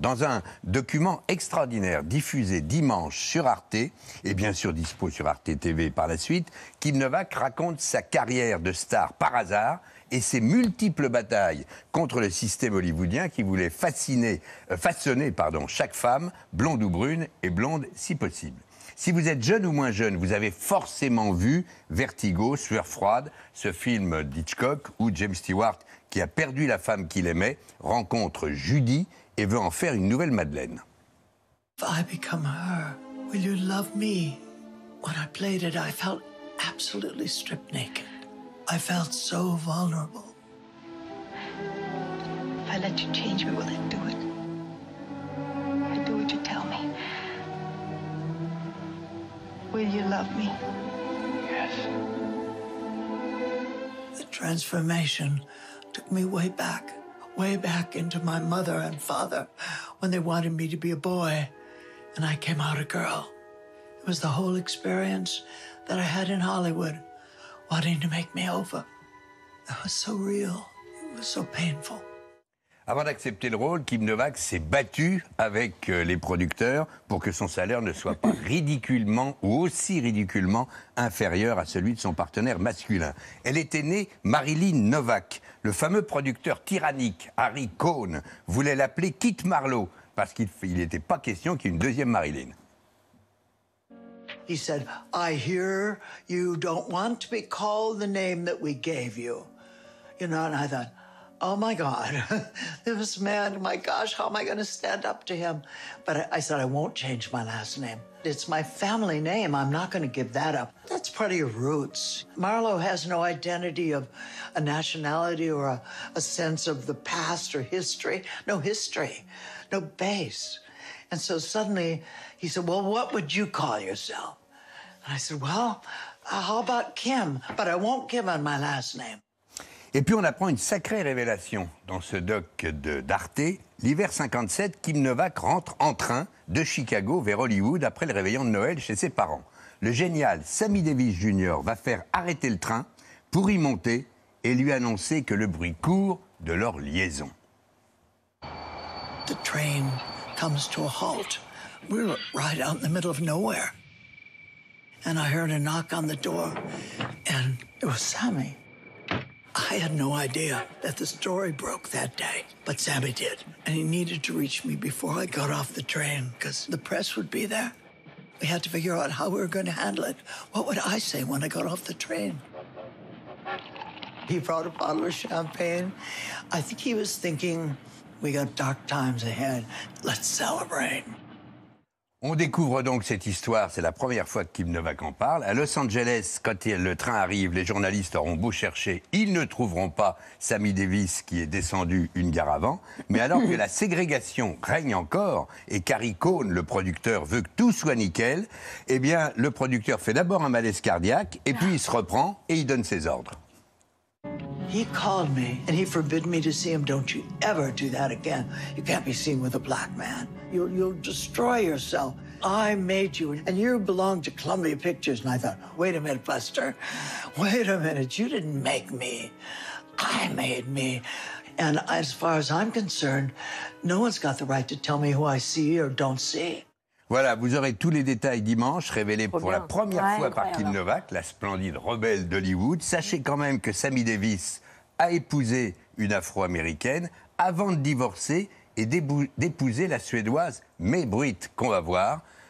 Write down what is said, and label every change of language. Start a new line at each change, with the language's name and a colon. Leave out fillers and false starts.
French: Dans un document extraordinaire diffusé dimanche sur Arte, et bien sûr dispo sur Arte TV par la suite, Kim Novak raconte sa carrière de star par hasard et ses multiples batailles contre le système hollywoodien qui voulait façonner chaque femme, blonde ou brune, et blonde si possible. Si vous êtes jeune ou moins jeune, vous avez forcément vu Vertigo, Sueur froide, ce film d'Hitchcock où James Stewart, qui a perdu la femme qu'il aimait, rencontre Judy et veut en faire une nouvelle Madeleine.
English: If I become her, will you love me? When I played it, I felt absolutely stripped naked. I felt so vulnerable. If I let you change me, will it do it? Will it do what you tell me? Will you love me? Yes. The transformation took me way back into my mother and father when they wanted me to be a boy and I came out a girl. It was the whole experience that I had in Hollywood, wanting to make me over. It was so real. It was so painful.
French: Avant d'accepter le rôle, Kim Novak s'est battue avec les producteurs pour que son salaire ne soit pas ridiculement ou aussi ridiculement inférieur à celui de son partenaire masculin. Elle était née Marilyn Novak. Le fameux producteur tyrannique Harry Cohn voulait l'appeler Kit Marlowe parce qu'il n'était pas question qu'il y ait une deuxième Marilyn.
English: He said, I hear you don't want to be called the name that we gave you. You know, and I thought, oh my God, this man, my gosh, how am I going to stand up to him? But I said, I won't change my last name. It's my family name. I'm not going to give that up. That's part of your roots. Marlowe has no identity of a nationality or a sense of the past or history. No history, no base. And so suddenly he said, well, what would you call yourself? And I said, well, how about Kim? But I won't give him my last name.
French: Et puis on apprend une sacrée révélation dans ce doc d'Arte. L'hiver 57, Kim Novak rentre en train de Chicago vers Hollywood après le réveillon de Noël chez ses parents. Le génial Sammy Davis Jr. va faire arrêter le train pour y monter et lui annoncer que le bruit court de leur liaison.
English: The train comes to a halt. We're right out in the middle of nowhere. And I heard a knock on the door and it was Sammy. I had no idea that the story broke that day, but Sammy did. And he needed to reach me before I got off the train, because the press would be there. We had to figure out how we were going to handle it. What would I say when I got off the train? He brought a bottle of champagne. I think he was thinking, we got dark times ahead. Let's celebrate.
French: On découvre donc cette histoire, c'est la première fois que Kim Novak en parle. À Los Angeles, quand le train arrive, les journalistes auront beau chercher, ils ne trouveront pas Sammy Davis qui est descendu une gare avant. Mais alors que la ségrégation règne encore et qu'Harry Cohn, le producteur, veut que tout soit nickel, eh bien le producteur fait d'abord un malaise cardiaque et puis il se reprend et il donne ses ordres.
English: He called me and he forbid me to see him. Don't you ever do that again. You can't be seen with a black man. You'll destroy yourself. I made you and you belong to Columbia Pictures. And I thought, wait a minute, Buster. Wait a minute. You didn't make me. I made me. And as far as I'm concerned, no one's got the right to tell me who I see or don't see.
French: Voilà, vous aurez tous les détails dimanche, révélés pour la première fois par Kim Novak, la splendide rebelle d'Hollywood. Sachez quand même que Sammy Davis a épousé une Afro-Américaine avant de divorcer et d'épouser la Suédoise May Britt, qu'on va voir.